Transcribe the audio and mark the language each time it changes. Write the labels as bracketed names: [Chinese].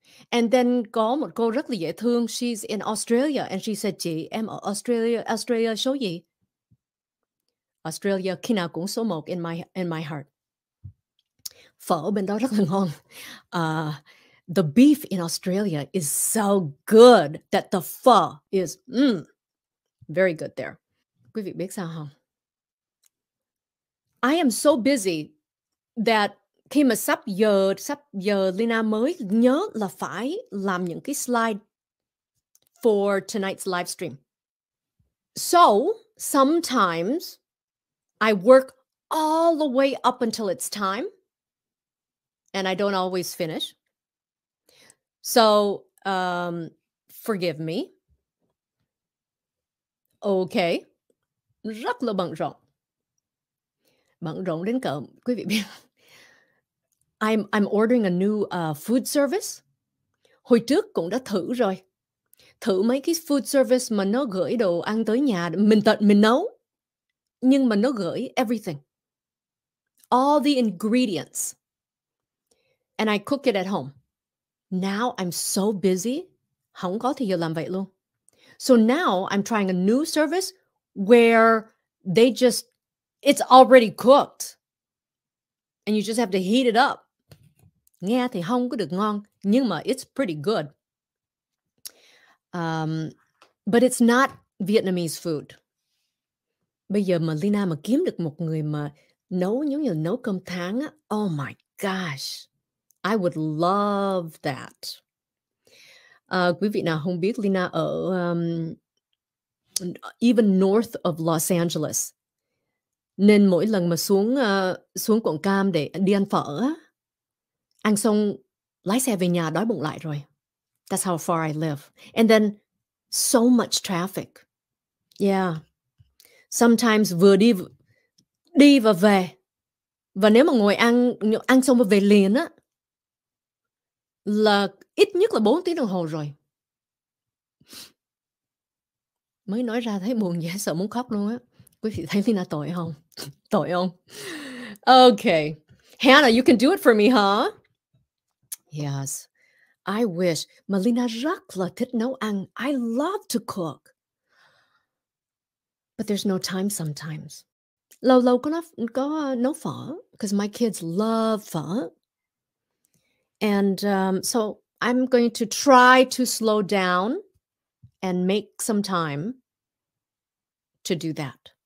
[English] And then [Vietnamese] có một cô rất là dễ thương. [English] She's in Australia. And she said, [Vietnamese] chị, em ở Australia, Australia số gì? Australia khi nào cũng số một [English] in my heart. [Vietnamese] Phở bên đó rất là ngon. [English] The beef in Australia is so good that the pho is very good there. [Vietnamese] Quý vị biết sao không? [English] I am so busy that [Vietnamese] khi mà sắp giờ Leyna mới nhớ là phải làm những cái slide [English] for tonight's live stream. So, sometimes I work all the way up until it's time and I don't always finish. So, forgive me. [Vietnamese] Okay. Rất là bận rộn. Bận rộn đến cỡ, quý vị biết. [English] I'm ordering a new food service. [Vietnamese] Hồi trước cũng đã thử rồi. Thử mấy cái food service mà nó gửi đồ ăn tới nhà, mình tận mình nấu. Nhưng mà nó gửi [English] everything. All the ingredients. And I cook it at home. Now I'm so busy. [Vietnamese] Không có thì giờ làm vậy luôn. [English] So now I'm trying a new service where they just, it's already cooked. And you just have to heat it up. [Vietnamese] Nghe thì không có được ngon, nhưng mà [English] it's pretty good. But it's not Vietnamese food. [Vietnamese] Bây giờ mà Leyna mà kiếm được một người mà nấu giống như nấu cơm tháng á, [English] oh my gosh, I would love that. [Vietnamese] Quý vị nào không biết, Leyna ở [English] even north of Los Angeles. [Vietnamese] Nên mỗi lần mà xuống Quận Cam để đi ăn phở á, ăn xong lái xe về nhà đói bụng lại rồi. [English] That's how far I live. And then so much traffic. Yeah. [Vietnamese] Sometimes vừa đi và về. Và nếu mà ngồi ăn xong và về liền á, là ít nhất là 4 tiếng đồng hồ rồi. Mới nói ra thấy buồn dễ sợ muốn khóc luôn á. Quý vị thấy Leyna tội không? Tội không? Okay. [English] Hannah, you can do it for me, huh? Yes, I wish. [Vietnamese] Leyna rất là thích nấu ăn. [English] I love to cook. But there's no time sometimes. [Vietnamese] Lâu lâu có nấu phở, [English] because my kids love phở. And so I'm going to try to slow down and make some time to do that.